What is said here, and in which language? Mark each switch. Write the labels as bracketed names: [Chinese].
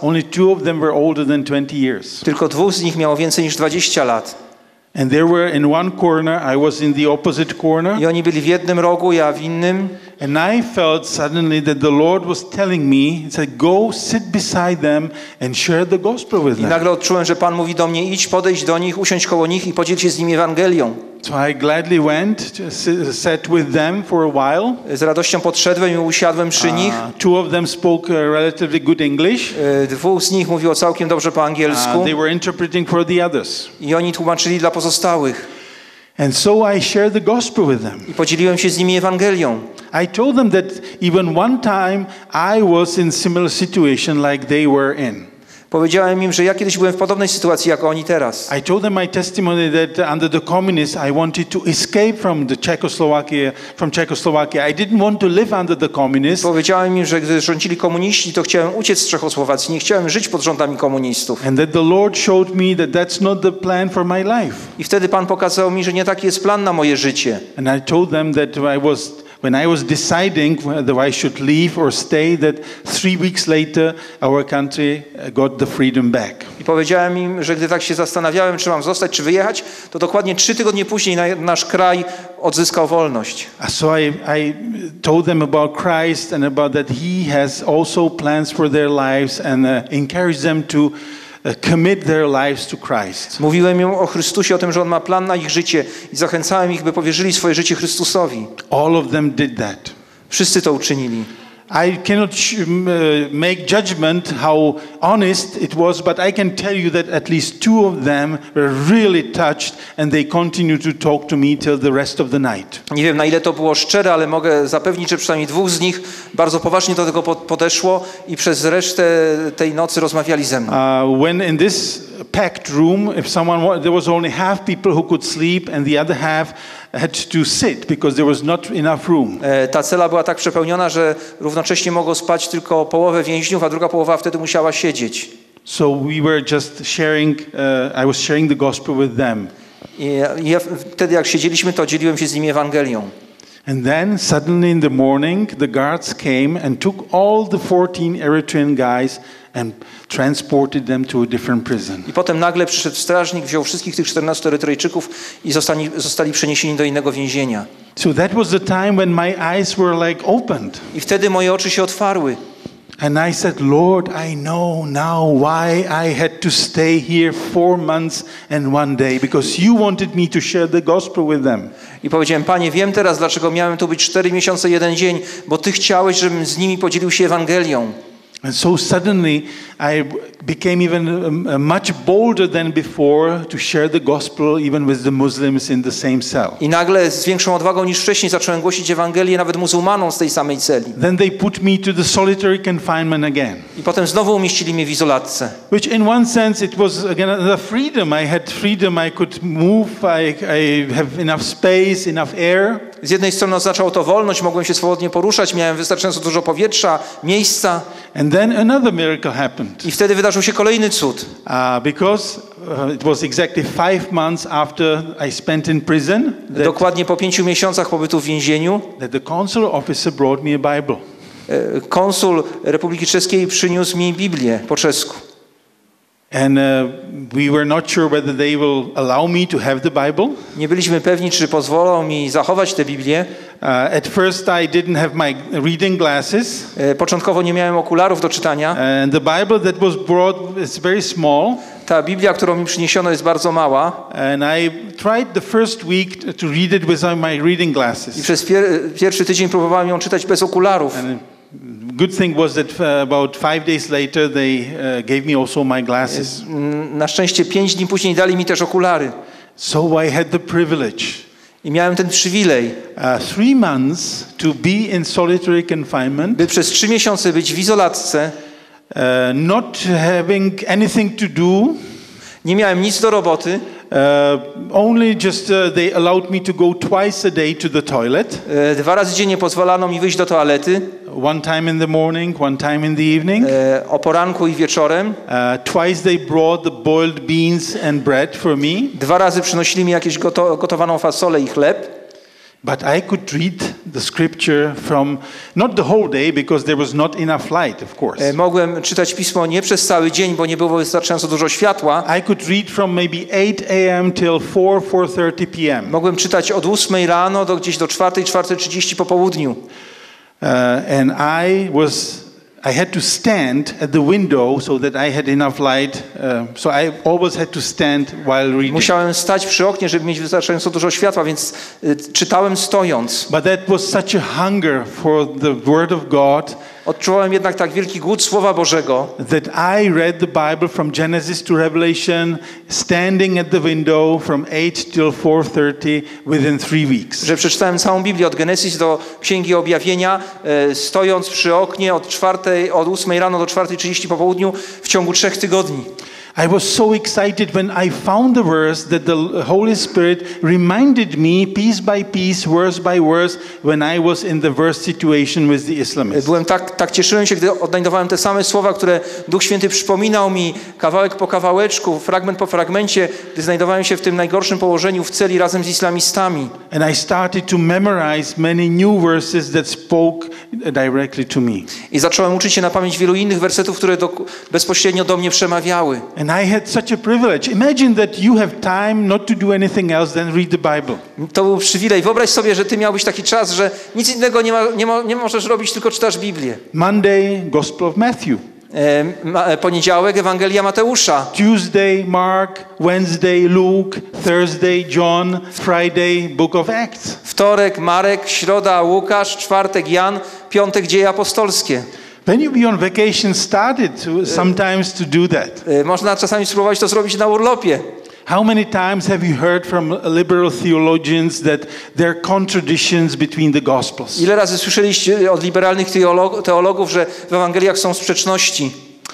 [English] Only two of them were older than 20 years. [Polish] Tylko dwóch z nich miało więcej niż 20 lat. [English] And they were in one corner, I was in the opposite corner. [Polish] I oni byli w jednym rogu, ja w innym. [English] And I felt suddenly that the Lord was telling me, he said, go sit beside them and share the gospel with them. [Polish] I nagle odczułem, że Pan mówi do mnie, idź, podejdź do nich, usiądź koło nich i podziel się z nimi Ewangelią. [English] So I gladly went to sit with them for a while. [Polish] Z radością podszedłem i usiadłem przy nich. [English] Two of them spoke relatively good English. [Polish] Dwóch z nich mówiło całkiem dobrze po angielsku. [English] They were interpreting for the others. [Polish] I oni tłumaczyli dla pozostałych. [English] And so I shared the gospel with them. [Polish] I podzieliłem się z nimi Ewangelią. [English] I told them that even one time I was in similar situation like they were in. [Polish] Powiedziałem im, że ja kiedyś byłem w podobnej sytuacji jak oni teraz. [English] I told them my testimony that under the communists I wanted to escape from the Czechoslovakia, from Czechoslovakia. I didn't want to live under the communists. [Polish] Powiedziałem im, że gdy rządzili komuniści, to chciałem uciec z Czechosłowacji, nie chciałem żyć pod rządami komunistów. [English] And that the Lord showed me that that's not the plan for my life. [Polish] I wtedy Pan pokazał mi, że nie taki jest plan na moje życie. [English] And I told them that when I was deciding whether I should leave or stay, that 3 weeks later our country got the freedom back. [Polish] I powiedziałem im, że gdy tak się zastanawiałem, czy mam zostać, czy wyjechać, to dokładnie 3 tygodnie później nasz kraj odzyskał wolność. [English] So I told them about Christ and about that He has also plans for their lives and encouraged them to commit their lives to Christ. [Polish] Mówiłem im o Chrystusie, o tym, że on ma plan na ich życie i zachęcałem ich, by powierzyli swoje życie Chrystusowi. [English] All of them did that. [Polish] Wszyscy to uczynili. [English] I cannot make judgment how honest it was, but I can tell you that at least two of them were really touched and they continued to talk to me till the rest of the night. [Polish] Nie wiem, na ile to było szczere, ale mogę zapewnić, że przynajmniej dwóch z nich bardzo poważnie do tego podeszło i przez resztę tej nocy rozmawiali ze mną. [English] When in this packed room, if someone there was only half people who could sleep and the other half had to sit because there was not enough room. [Polish] Ta cela była tak przepełniona, że równocześnie mogło spać tylko połowę więźniów, a druga połowa wtedy musiała siedzieć. [English] So we were just sharing, I was sharing the gospel with them. [Polish] I wtedy jak siedzieliśmy, to dzieliłem się z nimi Ewangelią. [English] And then suddenly in the morning the guards came and took all the 14 Eritrean guys and transported them to a different prison. [Polish] I potem nagle przyszedł strażnik, wziął wszystkich tych 14 Erytrejczyków i zostali przeniesieni do innego więzienia. [English] So that was the time when my eyes were like opened. [Polish] I wtedy moje oczy się otwarły. [English] And I said, Lord, I know now why I had to stay here 4 months and one day, because you wanted me to share the gospel with them. [Polish] I powiedziałem, Panie, wiem teraz, dlaczego miałem tu być 4 miesiące i jeden dzień, bo Ty chciałeś, żebym z nimi podzielił się Ewangelią. [English] And so suddenly I became even much bolder than before to share the gospel even with the Muslims in the same cell. [Polish] I nagle z większą odwagą niż wcześniej zacząłem głosić Ewangelię nawet muzułmanom z tej samej celi. [English] Then they put me to the solitary confinement again. [Polish] I potem znowu umieścili mnie w izolatce. [English] Which in one sense it was again the freedom. I had freedom, I could move, I have enough space, enough air. [Polish] Z jednej strony oznaczało to wolność, mogłem się swobodnie poruszać, miałem wystarczająco dużo powietrza, miejsca. [English] And then another miracle happened. [Polish] I wtedy wydarzył się kolejny cud. [English] Because it was exactly 5 months after I spent in prison. [Polish] Dokładnie po 5 miesiącach pobytu w więzieniu. [English] That the consul officer brought me a Bible. [Polish] Konsul Republiki Czeskiej przyniósł mi Biblię po czesku. [English] And we were not sure whether they will allow me to have the Bible. [Polish] Nie byliśmy pewni, czy pozwolą mi zachować tę Biblię. [English] At first I didn't have my reading glasses. [Polish] Początkowo nie miałem okularów do czytania. [English] And the Bible that was brought is very small. [Polish] Ta Biblia, którą mi przyniesiono, jest bardzo mała. [English] And I tried the first week to read it without my reading glasses. [Polish] I przez pierwszy tydzień próbowałem ją czytać bez okularów. [English] And good thing was that about 5 days later they gave me also my glasses. [Polish] Na szczęście 5 dni później dali mi też okulary. [English] So I had the privilege. [Polish] I miałem ten przywilej. [English] 3 months to be in solitary confinement. [Polish] By przez 3 miesiące być w izolatce. [English] Not having anything to do. [Polish] Nie miałem nic do roboty. [English] Only just they allowed me to go twice a day to the toilet. [Polish] 2 razy dziennie pozwalano mi wyjść do toalety. [English] One time in the morning, one time in the evening. [Polish] O poranku i wieczorem. [English] Twice they brought the boiled beans and bread for me. [Polish] 2 razy przynosili mi jakieś gotowaną fasolę i chleb. [English] But I could read the scripture from not the whole day because there was not enough light, of course. [Polish] Mogłem czytać pismo nie przez cały dzień, bo nie było wystarczająco dużo światła. [English] I could read from maybe 8 a.m. till 4, 4:30 p.m. [Polish] Mogłem czytać od 8 rano do gdzieś do 4, 4:30 po południu. [English] And I had to stand at the window so that I had enough light. So I always had to stand while reading. [Polish] Musiałem stać przy oknie, żeby mieć wystarczająco dużo światła, więc czytałem stojąc. [English] But that was such a hunger for the Word of God. [Polish] Odczuwałem jednak tak wielki głód Słowa Bożego. [English] That I read the Bible from Genesis to Revelation, standing at the window from 8 till 4:30 within 3 weeks. [Polish] Że przeczytałem całą Biblię od Genesis do Księgi Objawienia, stojąc przy oknie od 8 rano do 4:30 po południu w ciągu 3 tygodni. [English] I was so excited when I found the verse that the Holy Spirit reminded me piece by piece, verse by verse, when I was in the verse situation with the Islamists. [Polish] Byłem tak cieszyłem się, gdy odnajdowałem te same słowa, które Duch Święty przypominał mi kawałek po kawałeczku, fragment po fragmencie, gdy znajdowałem się w tym najgorszym położeniu w celi razem z islamistami. [English] And I started to memorize many new verses that spoke directly to me. [Polish] I zacząłem uczyć się na pamięć wielu innych wersetów, które bezpośrednio do mnie przemawiały. [English] And I had such a privilege. Imagine that you have time not to do anything else than read the Bible. [Polish] To był przywilej. Wyobraź sobie, że ty miałbyś taki czas, że nic innego nie możesz robić, tylko czytasz Biblię. [English] Monday, Gospel of Matthew. [Polish] Poniedziałek, Ewangelia Mateusza. [English] Tuesday, Mark. Wednesday, Luke. Thursday, John. Friday, Book of Acts. [Polish] Wtorek, Marek. Środa, Łukasz. Czwartek, Jan. Piątek, Dzieje Apostolskie. [English] When you be on vacation, started to, sometimes to do that. [Polish] Można czasami spróbować to zrobić na urlopie. [English] How many times have you heard from liberal theologians that there are contradictions between the gospels? [Polish] Ile razy słyszeliście od liberalnych teologów, że w Ewangeliach są sprzeczności?